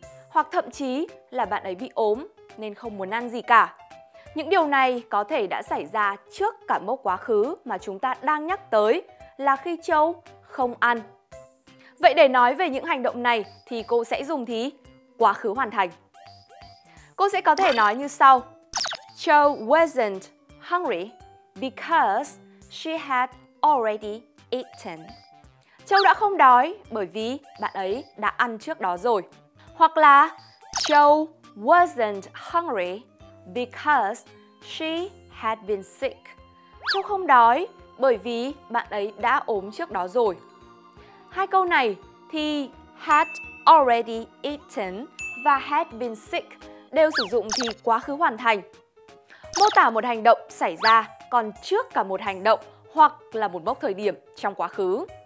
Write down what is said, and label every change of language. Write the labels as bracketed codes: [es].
[vi] Hoặc thậm chí là bạn ấy bị ốm nên không muốn ăn gì cả. Những điều này có thể đã xảy ra trước cả mốc quá khứ mà chúng ta đang nhắc tới là khi Châu không ăn. Vậy để nói về những hành động này thì cô sẽ dùng thì quá khứ hoàn thành. Cô sẽ có thể nói như sau. [en] Châu wasn't hungry because she had already eaten. [vi] Châu đã không đói bởi vì bạn ấy đã ăn trước đó rồi. Hoặc là [en] Châu wasn't hungry because she had been sick. [vi] Châu không đói bởi vì bạn ấy đã ốm trước đó rồi. Hai câu này thì [en] had already eaten [vi] và [en] had been sick [vi] đều sử dụng thì quá khứ hoàn thành. Mô tả một hành động xảy ra còn trước cả một hành động hoặc là một mốc thời điểm trong quá khứ.